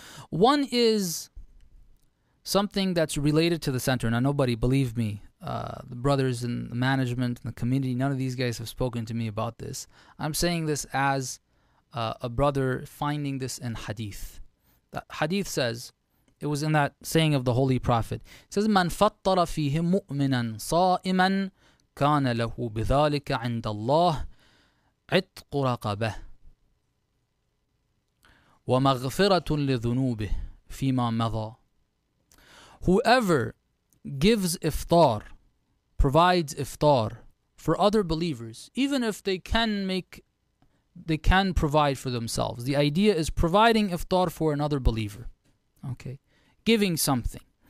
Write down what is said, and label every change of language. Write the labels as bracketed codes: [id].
[en] One is something that's related to the center. Now, nobody, believe me, the brothers and the management and the community, none of these guys have spoken to me about this. I'm saying this as a brother finding this in hadith. The hadith says, it was in that saying of the Holy Prophet, it says, [ar] مَنْ فَطَّرَ فِيهِ مُؤْمِنًا صَائِمًا كَانَ لَهُ بِذَلِكَ عِنْدَ اللَّهِ عِتْقُ رَقَبَهِ وَمَغْفِرَةٌ لِذُنُوبِهِ فِي مَا مَضَى. [en] Whoever gives iftar, provides iftar for other believers, even if they can provide for themselves. The idea is providing iftar for another believer. Okay. Giving something.